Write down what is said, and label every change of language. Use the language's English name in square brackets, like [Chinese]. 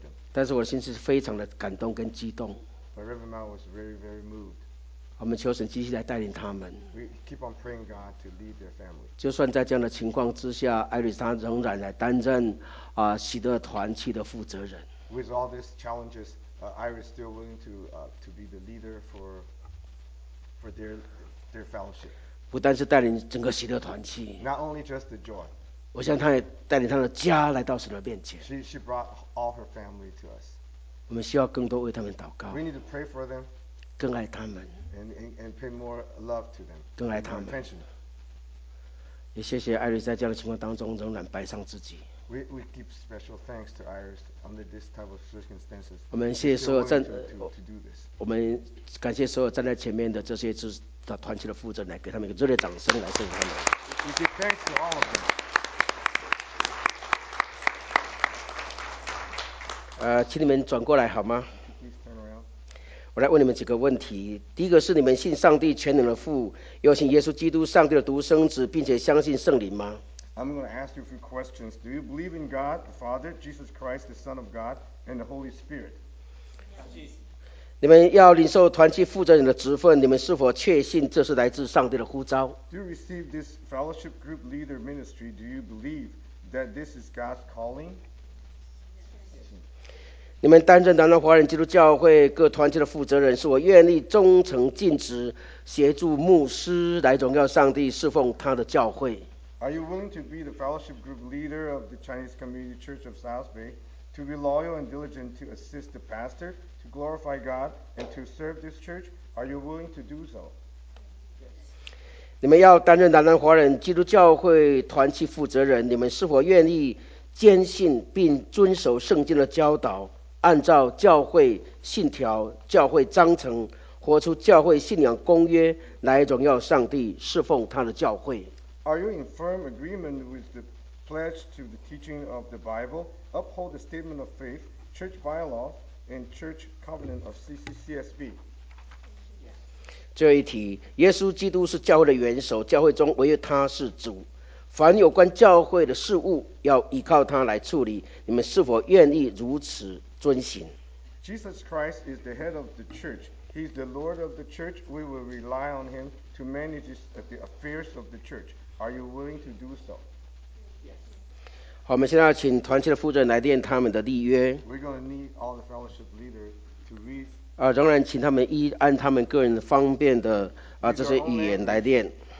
[Chinese] 但是我的心是非常的感动跟激动。 [English] But Reverend Mao was very, very moved. [Chinese] 我们求神继续来带领他们。 [English] We keep on praying God to lead their family. [Chinese] 就算在这样的情况之下，艾瑞斯他仍然来担任喜乐团契的负责人。 [English] With all these challenges, Iris still willing to be the leader for their fellowship. [Chinese] 不但是带领整个喜乐团契。 [English] Not only just the joy. [Chinese] 我想他也带领他的家来到神的面前。 [English] She brought all her family to us. [Chinese] 我们需要更多为他们祷告。 [English] We need to pray for them. [Chinese] 更爱他们。 [English] And pay more love to them. [Chinese] 更爱他们。 [English] Attention. [Chinese] 也谢谢 Iris 在这样的情况当中仍然摆上自己。 [English] We give special thanks to Iris under this type of circumstances. [Chinese] 我们谢谢所有站在前面的这些团契的负责人，来给他们一个热烈掌声，来送给他们。 [English] We give thanks to all of them. [Chinese] 请你们转过来好吗？我来问你们几个问题。第一个是，你们信上帝全能的父，又信耶稣基督上帝的独生子，并且相信圣灵吗 [English] ？I'm going to ask you a few questions. Do you believe in God the Father, Jesus Christ, the Son of God, and the Holy Spirit? [Chinese] 你们要领受团契负责人的职分，你们是否确信这是来自上帝的呼召？ [English] Do you receive this fellowship group leader ministry? Do you believe that this is God's calling? [Chinese] 你们担任南南华人基督教会各团契的负责人，是我愿意忠诚尽职，协助牧师来荣耀上帝，侍奉他的教会。 [English] Are you willing to be the fellowship group leader of the Chinese Community Church of South Bay to be loyal and diligent to assist the pastor to glorify God and to serve this church? Are you willing to do so? Yes. [Chinese] 你们要担任南南华人基督教会团契负责人，你们是否愿意坚信并遵守圣经的教导，按照教会信条、教会章程，活出教会信仰公约，来荣耀上帝，侍奉他的教会？ [English] Are you in firm agreement with the pledge to the teaching of the Bible, uphold the statement of faith, church bylaws, and church covenant of CCCSB? [Chinese] 这一题，耶稣基督是教会的元首，教会中唯有他是主。凡有关教会的事物，要依靠他来处理。你们是否愿意如此遵行？ [English] Jesus Christ is the head of the church. He is the Lord of the church. We will rely on him to manage the affairs of the church. Are you willing to do so? Yes. [Chinese] 好，我们现在要请团契的负责人来念他们的立约。 [English] We're going to need all the fellowship leaders to read. [Chinese] 仍然请他们依按他们个人方便的这些语言来念。